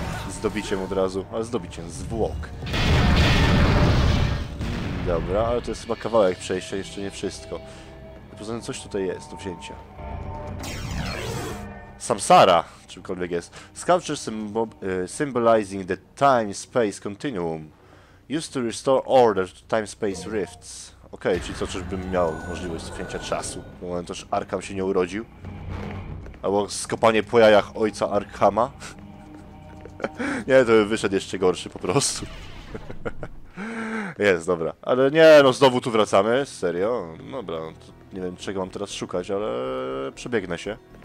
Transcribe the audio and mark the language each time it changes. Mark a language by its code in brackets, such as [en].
[pl] Zdobiciem od razu, ale zdobiciem, zwłok. Dobra, ale to jest chyba kawałek przejścia, jeszcze nie wszystko. Poza tym coś tutaj jest do wzięcia. Samsara, czymkolwiek jest. [en] Sculpture symbolizing the time-space continuum. Used to restore order to time-space rifts. [pl] Okej, okay, czyli co, czyżbym miał możliwość cofnięcia czasu? W momencie też Arkham się nie urodził. Albo skopanie po jajach ojca Arkhama. Nie, to by wyszedł jeszcze gorszy po prostu. Jest, dobra. Ale nie, no znowu tu wracamy, serio. Dobra, no to nie wiem czego mam teraz szukać, ale przebiegnę się.